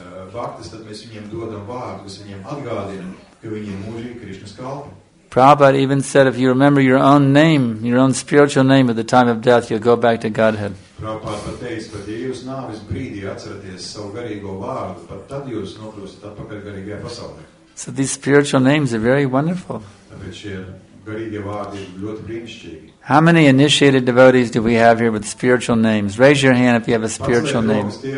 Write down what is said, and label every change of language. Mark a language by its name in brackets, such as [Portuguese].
[Latvian] Vaktas, tad mēs viņiem dodam vārdu, kas viņiem atgādina, ka viņi ir mūžīgi Krišnas kalpi. [English] Prabhupada even said, if you remember your own name, your own spiritual name at the time of death, you'll go back to Godhead. [Latvian] Prabhupada pateica, pat ja jūs nāvis brīdī atceraties savu garīgo vārdu, pat tad jūs nokļūstat atpakaļ garīgajā pasaulē. [English] So these spiritual names are very wonderful. [Latvian] Tāpēc šie garīgie vārdi ir ļoti brīnišķīgi. [English] How many initiated devotees do we have here with spiritual names? Raise your hand if you have a spiritual name.